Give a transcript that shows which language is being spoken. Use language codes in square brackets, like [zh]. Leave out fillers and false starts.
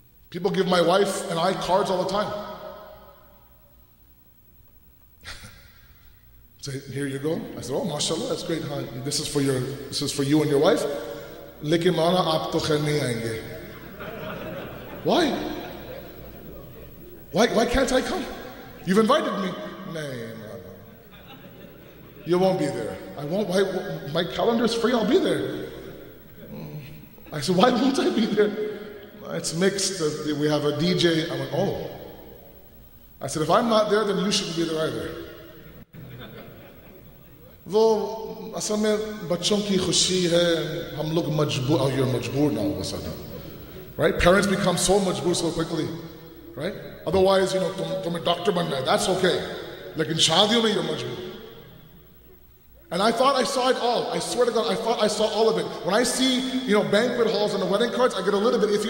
[en] People give my wife and I cards all the time. So here you go. I said, oh, mashallah, that's great, huh? This is for you and your wife. [ur] لیکن مانا آپ تو خیر نہیں آئینگے۔ [en] Why can't I come? You've invited me. No. You won't be there. I won't. Why? My calendar's free, I'll be there. I said, why won't I be there? It's mixed. We have a DJ. I went, oh. I said, if I'm not there, then you shouldn't be there either. So, [ur] اصل میں بچوں کی خوشی ہے، ہم لوگ مجبور، [en] oh, you're مجبور now, all of a sudden. Right? Parents become so majboor so quickly. Right? Otherwise, you know, [ur] tum a doctor banna hai, [en] that's okay. Like [ur] in shaadiyon mein, [en] you're majboor. And I thought I saw it all. I swear to God, I thought I saw all of it. When I see, you know, banquet halls and the wedding cards, I get a little bit iffy.